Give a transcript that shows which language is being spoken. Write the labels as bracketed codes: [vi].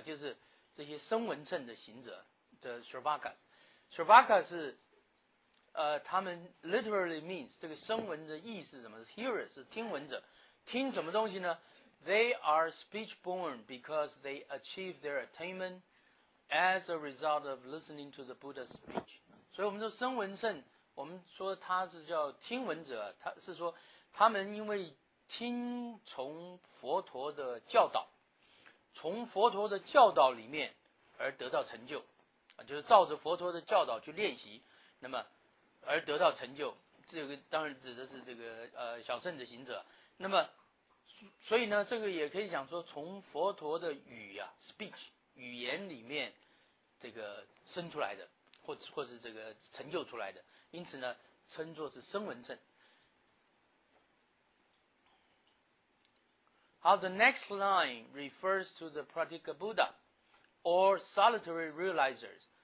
[zh] 就是这些声闻乘的行者的 Shravaka 是他们 [en] literally means [zh] 这个声闻的意思是什么？ hearer 是听闻者，听什么东西呢？ [en] They are speech-born because they achieve their attainment as a result of listening to the Buddha's speech. [zh] 所以我们说声闻乘，我们说他是叫听闻者，他是说他们因为听从佛陀的教导，从佛陀的教导里面而得到成就，就是照着佛陀的教导去练习，那么而得到成就。这个当然指的是这个小乘的行者。那么所以呢，这个也可以讲说，从佛陀的speech 语言里面，这个生出来的，或是这个成就出来的，因此呢，称作是声闻乘。 [en] 好 ，the next line refers to the Pratikabuddha or solitary realizers.